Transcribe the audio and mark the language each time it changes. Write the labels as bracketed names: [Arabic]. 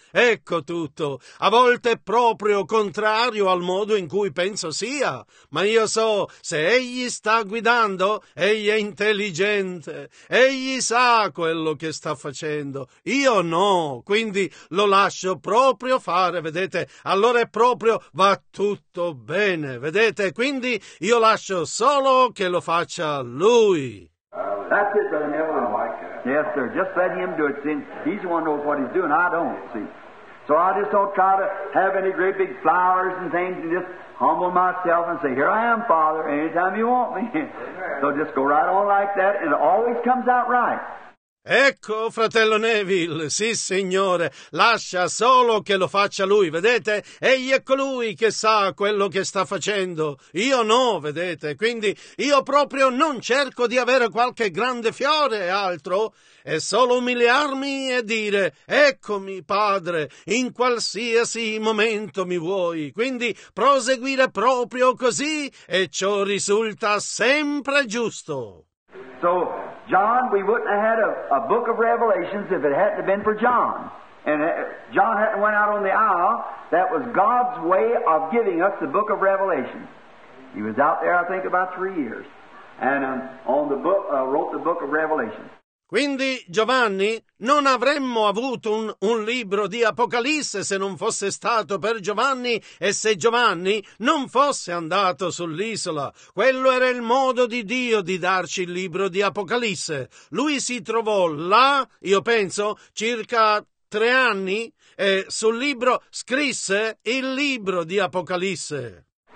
[Italian] Ecco tutto. A volte è proprio contrario al modo in cui penso sia, ma io so, se egli sta guidando, egli è intelligente, egli sa quello che sta facendo. Io no, quindi lo lascio proprio fare, vedete? Allora è proprio, va tutto bene. Vedete, quindi io lascio solo che lo faccia lui. [English] That's it, brother Neville. I like that. Yes, sir. Just let him do it. See, he's the one who knows what he's doing. I don't, see. So I just don't try to have any great big flowers and things and just humble myself and say, here I am, Father, anytime you want me. So just go right on like that and it always comes out right. [Italian] Ecco, fratello Neville, sì signore, lascia solo che lo faccia lui, vedete? Egli è colui che sa quello che sta facendo, io no, vedete? Quindi io proprio non cerco di avere qualche grande fiore e altro, è solo umiliarmi e dire, eccomi padre, in qualsiasi momento mi vuoi, quindi proseguire proprio così e ciò risulta sempre giusto. [English] So, John, we wouldn't have had a book of Revelations if it hadn't been for John. And John hadn't went out on the aisle. That was God's way of giving us the book of Revelation. He was out there, I think, about 3 years. And wrote the book of Revelation. [Italian] Quindi, Giovanni, non avremmo avuto un libro di Apocalisse se non fosse stato per Giovanni e se Giovanni non fosse andato sull'isola. Quello era il modo di Dio di darci il libro di Apocalisse. Lui si trovò là, io penso, circa 3 anni, e sul libro scrisse il libro di Apocalisse.